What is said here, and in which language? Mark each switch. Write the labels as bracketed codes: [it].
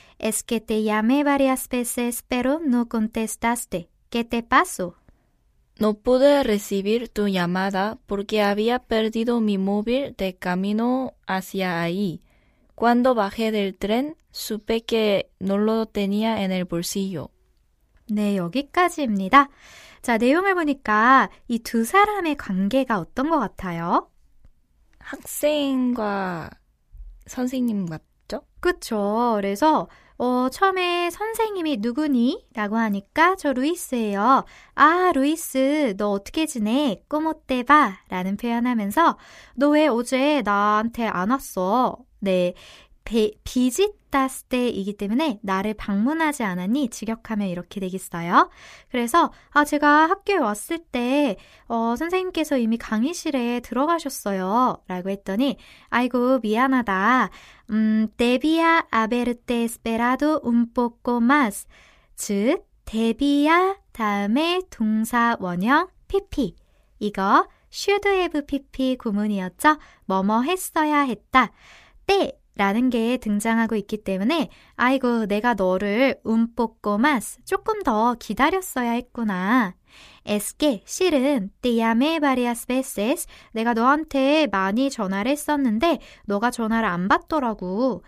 [es] Es que te llamé varias veces, pero no contestaste. ¿Qué te pasó? No pude recibir tu llamada porque había perdido mi móvil de camino hacia ahí. Cuando bajé del tren, supe que no lo tenía en el bolsillo. [ko] 네, 여기까지입니다. 자, 내용을 보니까 이 두 사람의 관계가 어떤 것 같아요? 학생과 선생님 맞죠? 그쵸. 그래서 처음에 선생님이 누구니? 라고 하니까 저 루이스예요. 아, 루이스, 너 어떻게 지내? 꿈 어때 봐? 라는 표현하면서 너 왜 어제 나한테 안 왔어? 네, 비지타스데이이기 때문에 나를 방문하지 않았니? 직역하면 이렇게 되겠어요. 그래서 아, 제가 학교에 왔을 때 선생님께서 이미 강의실에 들어가셨어요. 라고 했더니 아이고, 미안하다. [es] Debía haberte esperado un poco más. [ko] 즉, debía 다음에 동사 원형 PP. 이거 [en] should have PP [ko] 구문이었죠. 뭐뭐 했어야 했다. 때 라는 게 등장하고 있기 때문에 아이고, 내가 너를 [es] un poco más, [ko] 조금 더 기다렸어야 했구나. [es] Es que, [ko] 실은, [es] te llamé varias veces, [ko] 내가 너한테 많이 전화를 했었는데 너가 전화를 안 받더라고.